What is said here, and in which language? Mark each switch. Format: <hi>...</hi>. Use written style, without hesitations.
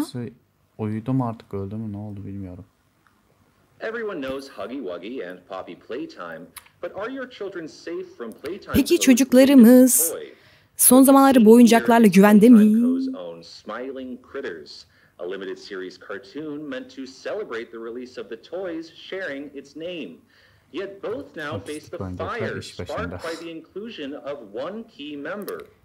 <tr>Hepsi uyudu mu artık öldü mü ne oldu bilmiyorum.</tr> <en>Everyone knows Huggy Wuggy and Poppy Playtime, but are your children safe from playtime?</en> <tr>Peki çocuklarımız son zamanları bu oyuncaklarla güvende mi?</tr> <en>Smiling Critters, a limited series cartoon meant to celebrate the release of the toys sharing its name. Yet both now face the fire sparked by the inclusion of one key member.</en>